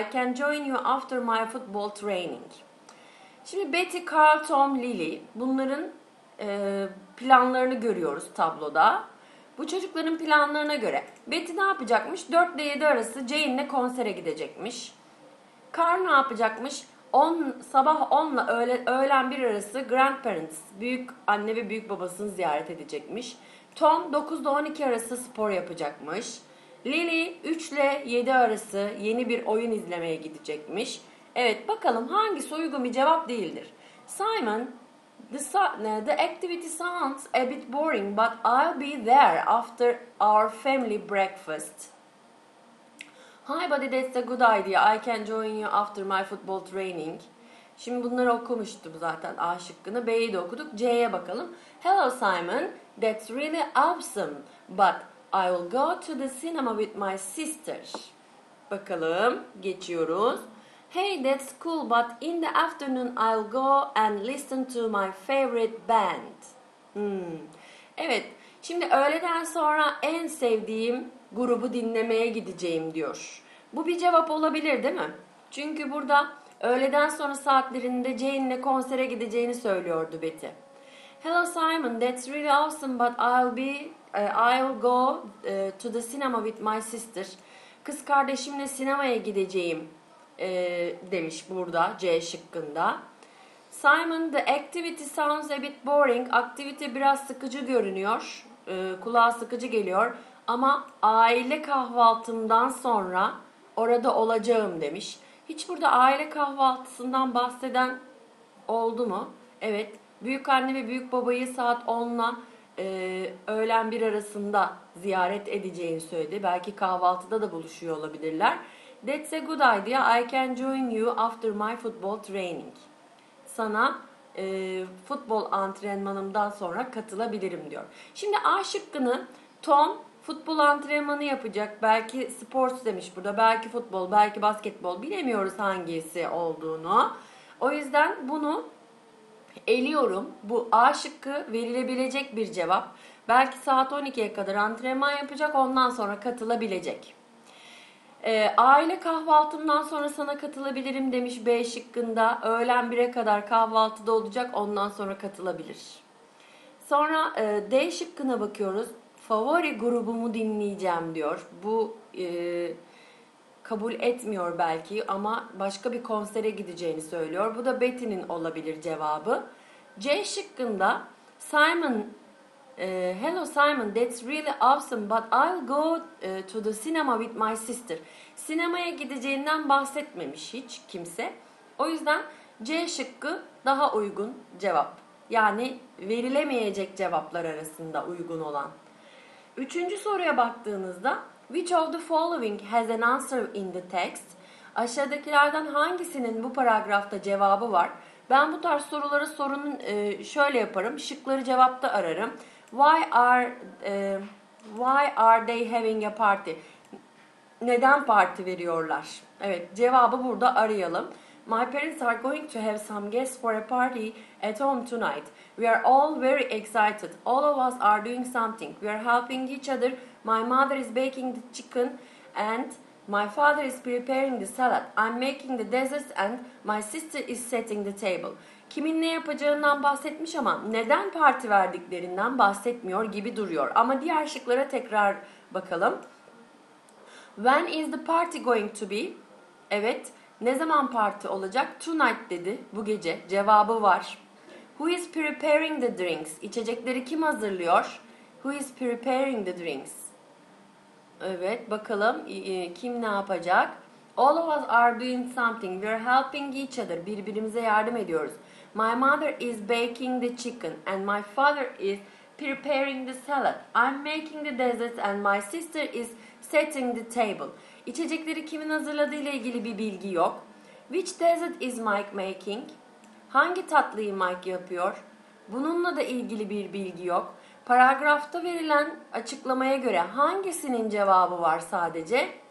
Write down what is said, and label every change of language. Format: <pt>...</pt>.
<en>I can join you after my football training.</en> <tr>Şimdi Betty, Carl, Tom, Lily, bunların planlarını görüyoruz tabloda. Bu çocukların planlarına göre Betty ne yapacakmış? 4 ile 7 arası Jane'le konsere gidecekmiş. Carl ne yapacakmış? Sabah 10 ile öğlen 1 arası grandparents, büyük anne ve büyük babasını ziyaret edecekmiş. Tom 9 ile 12 arası spor yapacakmış. Lily 3 ile 7 arası yeni bir oyun izlemeye gidecekmiş. Evet, bakalım hangisi uygun bir cevap değildir.</tr> <en>Simon, the activity sounds a bit boring but I'll be there after our family breakfast. Hi buddy, that's a good idea. I can join you after my football training.</en> <tr>Şimdi bunları okumuştum zaten, A şıkkını. B'yi de okuduk. C'ye bakalım.</tr> <en>Hello Simon, that's really awesome. But I will go to the cinema with my sister.</en> <tr>Bakalım, geçiyoruz.</tr> <en>Hey, that's cool, but in the afternoon I'll go and listen to my favorite band.</en> <tr>Evet, şimdi öğleden sonra en sevdiğim grubu dinlemeye gideceğim diyor. Bu bir cevap olabilir, değil mi? Çünkü burada öğleden sonra saatlerinde Jane'le konsere gideceğini söylüyordu Betty.</tr> <en>Hello Simon, that's really awesome but I'll go to the cinema with my sister.</en> <tr>Kız kardeşimle sinemaya gideceğim demiş burada C şıkkında.</tr> <en>Simon, the activity sounds a bit boring. Activity</en> <tr>biraz sıkıcı görünüyor. Kulağa sıkıcı geliyor. Ama aile kahvaltımdan sonra orada olacağım demiş. Hiç burada aile kahvaltısından bahseden oldu mu? Evet, büyük anne ve büyük babayı saat 10'la öğlen 1 arasında ziyaret edeceğini söyledi. Belki kahvaltıda da buluşuyor olabilirler.</tr> <en>That's a good idea. I can join you after my football training.</en> <tr>Sana futbol antrenmanımdan sonra katılabilirim diyor. Şimdi A şıkkını Tom futbol antrenmanı yapacak. Belki sports demiş burada. Belki futbol, belki basketbol. Bilemiyoruz hangisi olduğunu. O yüzden bunu eliyorum. Bu A şıkkı verilebilecek bir cevap. Belki saat 12'ye kadar antrenman yapacak. Ondan sonra katılabilecek. Aile kahvaltımdan sonra sana katılabilirim demiş B şıkkında. Öğlen 1'e kadar kahvaltıda olacak. Ondan sonra katılabilir. Sonra D şıkkına bakıyoruz. Favori grubumu dinleyeceğim diyor. Bu kabul etmiyor belki ama başka bir konsere gideceğini söylüyor. Bu da Betty'nin olabilir cevabı. C şıkkında</tr> <en>Simon, hello Simon, that's really awesome but I'll go to the cinema with my sister.</en> <tr>Sinemaya gideceğinden bahsetmemiş hiç kimse. O yüzden C şıkkı daha uygun cevap. Yani verilemeyecek cevaplar arasında uygun olan. Üçüncü soruya baktığınızda</tr> <en>which of the following has an answer in the text?</en> <tr>Aşağıdakilerden hangisinin bu paragrafta cevabı var? Ben bu tarz soruları sorunun şöyle yaparım. Şıkları cevapta ararım.</tr> <en>Why are they having a party?</en> <tr>Neden parti veriyorlar? Evet, cevabı burada arayalım.</tr> <en>My parents are going to have some guests for a party at home tonight. We are all very excited. All of us are doing something. We are helping each other. My mother is baking the chicken and my father is preparing the salad. I'm making the desserts and my sister is setting the table.</en> <tr>Kimin ne yapacağından bahsetmiş ama neden parti verdiklerinden bahsetmiyor gibi duruyor. Ama diğer şıklara tekrar bakalım.</tr> <en>When is the party going to be?</en> <tr>Evet. Ne zaman parti olacak? Tonight dedi. Bu gece. Cevabı var.</tr> <en>Who is preparing the drinks?</en> <tr>İçecekleri kim hazırlıyor?</tr> <en>Who is preparing the drinks?</en> <tr>Evet, bakalım kim ne yapacak?</tr> <en>All of us are doing something. We are helping each other.</en> <tr>Birbirimize yardım ediyoruz.</tr> <en>My mother is baking the chicken and my father is preparing the salad. I'm making the desserts and my sister is setting the table.</en> <tr>İçecekleri kimin hazırladığı ile ilgili bir bilgi yok.</tr> <en>Which dessert is Mike making?</en> <tr>Hangi tatlıyı Mike yapıyor? Bununla da ilgili bir bilgi yok. Paragrafta verilen açıklamaya göre hangisinin cevabı var sadece?</tr>